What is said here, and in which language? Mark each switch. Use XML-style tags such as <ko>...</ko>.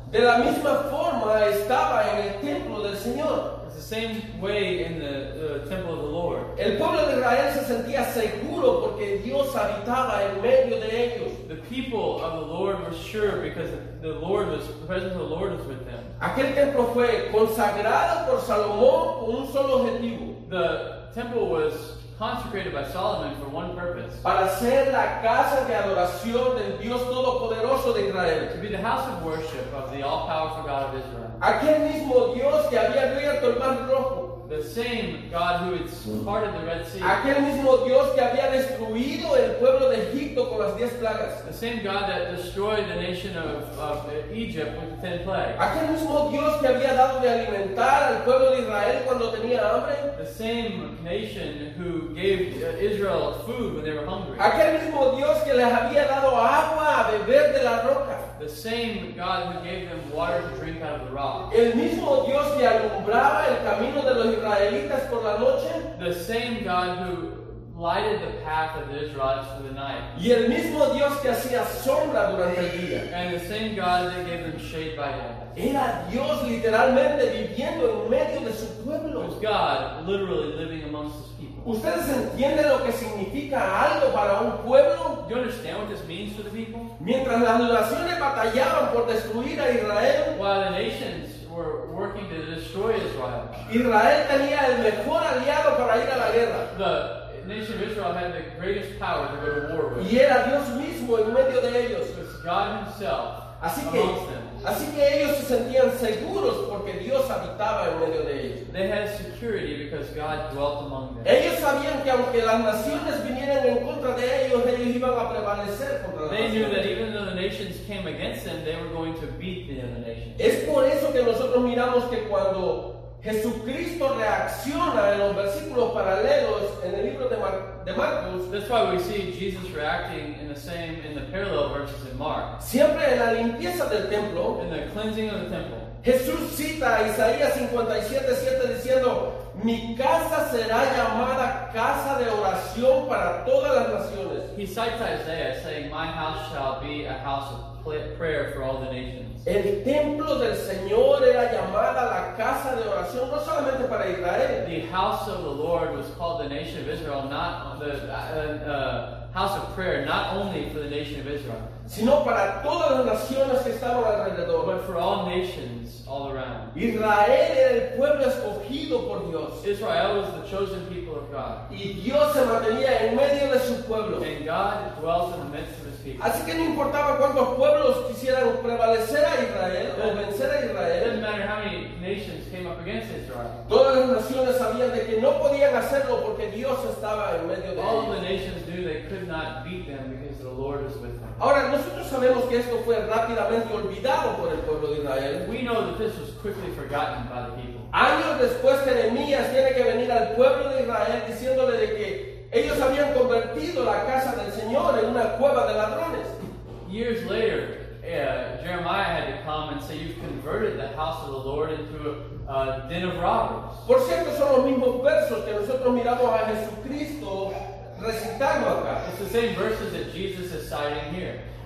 <es>De la misma forma estaba en el templo del Señor.</es> <en>It's the same way in the temple of the Lord.</en> <es>El pueblo de Israel se sentía seguro porque Dios habitaba en medio de ellos.</es> <en>The people of the Lord were sure because the presence of the Lord was with them.</en> <es>Aquel templo fue consagrado por Salomón con un solo objetivo.</es> <en>The temple was consecrated by Solomon for one purpose.</en> <es>Para ser la casa de adoración del Dios Todopoderoso de Israel.</es> <en>To be the house of worship of the all-powerful God of Israel.</en> <es>Aquel mismo Dios que había abierto el Mar Rojo.</es> <en>The same God who had parted the Red Sea.</en> <es>Aquel mismo Dios que había destruido el pueblo de Egipto con las 10 plagas.</es> <en>The same God that destroyed the nation of Egypt with the 10 plagues.</en> <es>Aquel mismo Dios que había dado de alimentar al pueblo de Israel cuando tenía hambre.</es> <en>The same nation who gave Israel food when they were hungry.</en> <es>Aquel mismo Dios que les había dado agua a beber de la roca.</es> <en>The same God who gave them water to drink out of the rock.</en> <es>El mismo Dios que alumbraba el camino de los israelitas por la noche.</es> <en>The same God who lighted the path of the Israelites for the night.</en> <es>Y el mismo Dios que hacía sombra durante el día.</es> <en>And the same God that gave them shade by day.</en> <es>Era Dios literalmente viviendo en medio de su pueblo.</es> <en>It was God literally living amongst his people.</en> <es>¿Ustedes entienden lo que significa algo para un pueblo?</es> <en>Do you understand what this means for the people?</en> <es>Mientras las naciones batallaban por destruir a Israel,</es> <en>while the nations were working to destroy Israel,</en> <es>Israel tenía el mejor aliado para ir a la guerra.</es> <en>The nation of Israel had the greatest power to go to war with.</en> <es>Y era Dios mismo en medio de ellos.</es> <en>It was God himself amongst them.</en> <es>Así que ellos se sentían seguros porque Dios habitaba en medio de ellos.</es> <en>They had security because God dwelt among them.</en> <es>Ellos sabían que aunque las naciones vinieran en contra de ellos, ellos iban a prevalecer contra las naciones.</es> <en>They knew that even though the nations came against them, they were going to beat the other nations.</en> <es>Es por eso que nosotros miramos que cuando Jesucristo reacciona en los versículos paralelos en el libro de Marcos.</es> <en>That's why we see Jesus reacting in the parallel verses in Mark.</en> <es>Siempre en la limpieza del templo.</es> <en>In the cleansing of the temple.</en> <es>Jesús cita a Isaías 57:7 diciendo, mi casa será llamada casa de oración para todas las naciones.</es> <en>He cites Isaiah saying, my house shall be a house of prayer for all the nations.</en> <es>El templo del Señor era llamada la casa de oración no solamente para Israel.</es> <en>The house of the Lord was called the nation of Israel, not the house of prayer, not only for the nation of Israel,</en> <es>sino para todas las naciones que estaban alrededor.</es> <en>But for all nations all around.</en> <es>Israel era el pueblo escogido por Dios.</es> <en>Israel was the chosen people of God.</en> <es>Y Dios se mantenía en medio de su pueblo.</es> <en>And God dwells in the midst of his people.</en> <es>Así que no importaba cuántos pueblos quisieran prevalecer a Israel o vencer a Israel.</es> <en>It didn't matter how many nations came up against Israel.</en> <es>Todas las naciones sabían de que no podían hacerlo porque Dios estaba en medio de ellos.</es> <en>All the nations knew they could not beat them because the Lord was with them.</en> <es>Ahora, nosotros sabemos que esto fue rápidamente olvidado por el pueblo de Israel.</es> <en>We know that this was quickly forgotten by the people.</en> <es>Años después, Jeremías tiene que venir al pueblo de Israel diciéndole de que ellos habían convertido la casa del Señor en una cueva de ladrones.</es> <en>Years later, Jeremiah had to come and say, you've converted the house of the Lord into a den of robbers.</en> <es>Por cierto, son los mismos versos que nosotros miramos a Jesucristo recitando acá.</es> <en>It's the same verses that Jesus is citing here.</en>